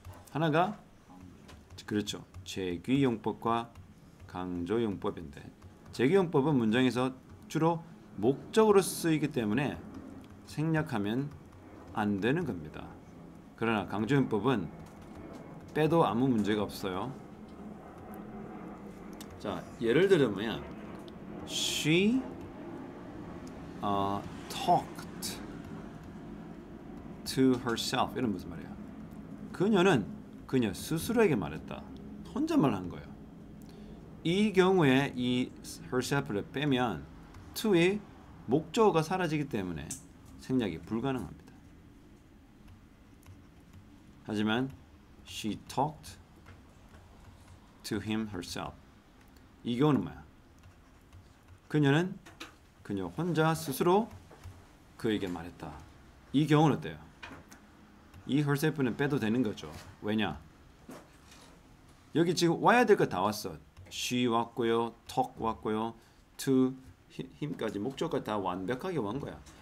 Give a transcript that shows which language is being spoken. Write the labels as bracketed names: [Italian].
[Korean] 하나가 그렇죠. 제기 용법과 강조 용법인데 제기 용법은 문장에서 주로 목적으로 쓰이기 때문에 생략하면 안 되는 겁니다. 그러나 강조용법은 빼도 아무 문제가 없어요. 자, 예를 들면 [English] She talked to herself. [Korean] 이런 무슨 말이야? 그녀는 그녀 스스로에게 말했다. 혼잣말 한 거예요. 이 경우에 이 herself를 빼면 to의 목적어가 사라지기 때문에 생략이 불가능합니다. 하지만 [English] she talked to him herself. [Korean] 이 경우는 뭐야? 그녀는 그녀 혼자 스스로 그에게 말했다. 이 경우는 어때요? 이 herself는 빼도 되는 거죠. 왜냐? 여기 지금 와야 될 거 다 왔어. she 왔고요, talk 왔고요, to 힘까지 목적까지 다 완벽하게 온 거야.